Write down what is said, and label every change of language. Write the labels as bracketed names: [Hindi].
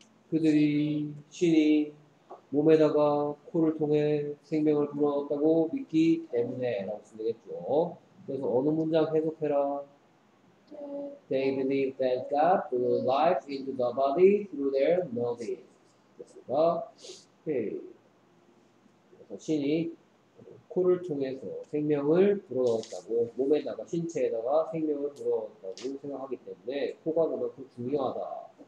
[Korean] 그들이 신이 몸에다가 코를 통해 생명을 불어넣었다고 믿기 때문에 라고 쓰면 되겠죠. 그래서 어느 문장 해석해라. [English] They believe that God blew life into the body through their noses. [Korean] 됐습니다. 그래서 신이 코를 통해서 생명을 불어넣었다고 몸에다가 신체에다가 생명을 불어넣었다고 생각하기 때문에 코가 그만큼 중요하다.